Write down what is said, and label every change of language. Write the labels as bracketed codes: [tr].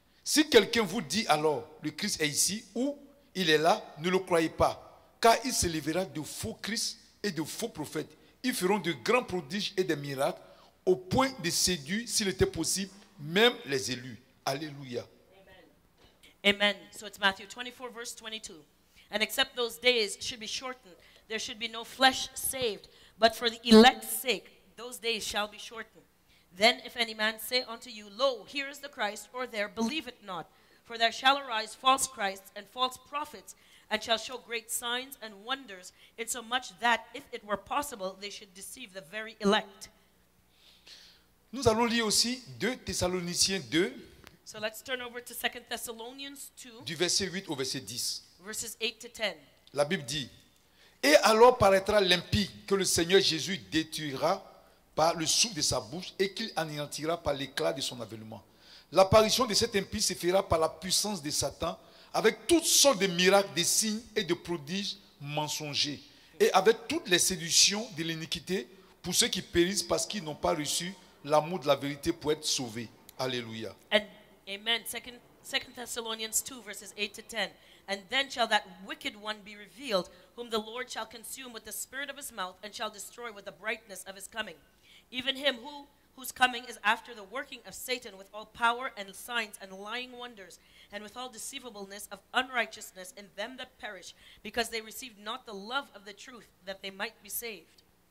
[fr] Si quelqu'un vous dit alors, le Christ est ici ou il est là, ne le croyez pas. Car il se lèvera de faux Christ et de faux prophètes. Ils feront de grands prodiges et des miracles au point de séduire, s'il était possible, même les élus. Alléluia. [en] Amen. Amen. So it's Matthew 24, verse 22. And except those days should be shortened, there should be no flesh saved. But for the elect's sake, those days shall be shortened. Then if any man say unto you, lo, here is the Christ, or there, believe it not. For there shall arise false Christs and false prophets, and shall show great signs and wonders, insomuch that, if it were possible, they should deceive the very elect. [fr] Nous allons lire aussi 2 Thessaloniciens 2. [en] So let's turn over to 2 Thessalonians 2. [fr] Du verset 8 au verset 10. [en] Verses 8 to 10. [fr] La Bible dit, et alors paraîtra l'impie que le Seigneur Jésus détruira par le souffle de sa bouche et qu'il anéantira par l'éclat de son avènement. L'apparition de cet impie se fera par la puissance de Satan avec toutes sortes de miracles, de signes et de prodiges mensongers et avec toutes les séductions de l'iniquité pour ceux qui périssent parce qu'ils n'ont pas reçu l'amour de la vérité pour être sauvés. Alléluia. [en] And, amen. 2 Thessalonians 2, verses 8 to 10. And then shall that wicked one be revealed, whom the Lord shall consume with the spirit of his mouth, and shall destroy with the brightness of his coming. Even him who, whose coming is after the working of Satan with all power and signs and lying wonders and with all deceivableness of unrighteousness in them that perish because they received not the love of the truth that they might be saved.